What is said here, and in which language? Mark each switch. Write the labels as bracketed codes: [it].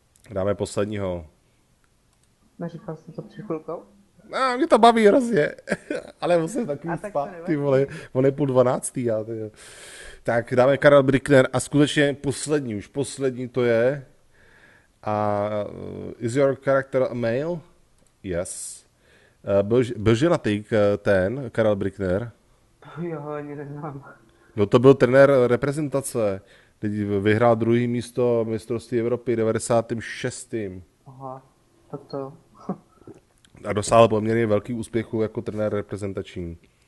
[cs] Dáme posledního. Neříkal jsem to před chvilkou? No, mě to baví hrozně, ale musím takový spát, ty vole, on je půl dvanáctý. Tak dáme Karel Brückner a skutečně poslední, už poslední to je. [en] A is your character a male? Yes. [cs] Byl ženatý ten, Karel Brückner? Jo, ani neznám. No to byl trenér reprezentace, teď vyhrál druhý místo mistrovství Evropy 96. Aha, tak to... A dosáhl poměrně velký úspěchu jako trenér reprezentační.